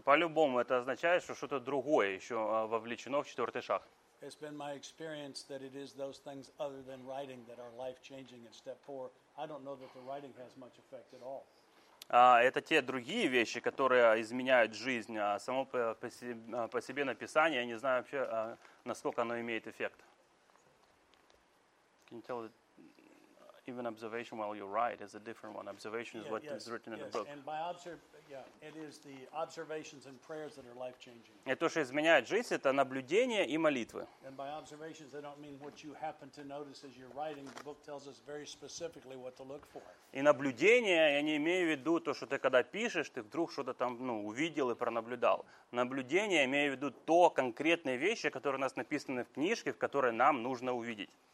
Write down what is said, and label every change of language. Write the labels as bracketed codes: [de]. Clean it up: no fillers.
[ru] по-любому это означает, что что-то другое еще вовлечено в четвертый шаг. [en] It's been my experience that it is those things other than writing that are life-changing in step four. I don't know that the writing has much effect at all. [ru] Это те другие вещи, которые изменяют жизнь. Само по себе написание, я не знаю вообще, насколько оно имеет эффект. [en] Can you tell that even observation while you write is a different one? Observation is what is written in the book. And by it is the observations and prayers that are life-changing. [ru] Это то, что изменяет жизнь, это наблюдения и молитвы. [en] And by observations, I don't mean what you happen to notice as you're writing. The book tells us very specifically what to look for. [ru] И наблюдения, я не имею в виду то, что ты когда пишешь, ты вдруг что-то там, ну, увидел и пронаблюдал. Наблюдения, я имею в виду то конкретные вещи, которые у нас написаны в книжке, в которые нам нужно увидеть.